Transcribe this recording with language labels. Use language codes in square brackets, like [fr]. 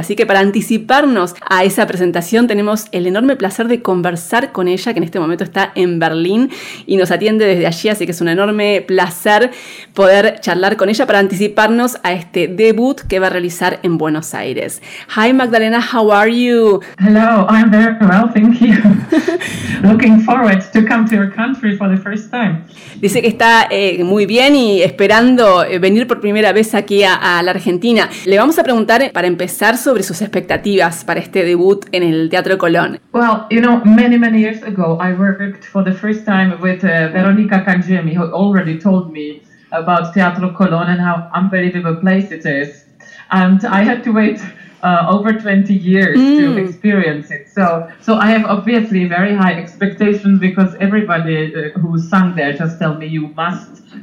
[es] Así que para anticiparnos a esa presentación tenemos el enorme placer de conversar con ella, que en este momento está en Berlín y nos atiende desde allí, así que es un enorme placer poder charlar con ella para anticiparnos a este debut que va a realizar en Buenos Aires. [en] Hi Magdalena, how are you? Hello, I'm very well, thank you. Looking forward to come to your country for the first time. [es] Dice que está muy bien y esperando venir por primera vez aquí a la Argentina. Le vamos a preguntar para empezar sobre sus expectativas para este debut en el Teatro Colón. [en] Well, you know, many years ago, I worked for the first time with Veronica Cangemi, who already told me about Teatro Colón and how unbelievable place it is. And I had to wait over 20 years to experience it. So I have obviously very high expectations because everybody who sang there just tell me you must.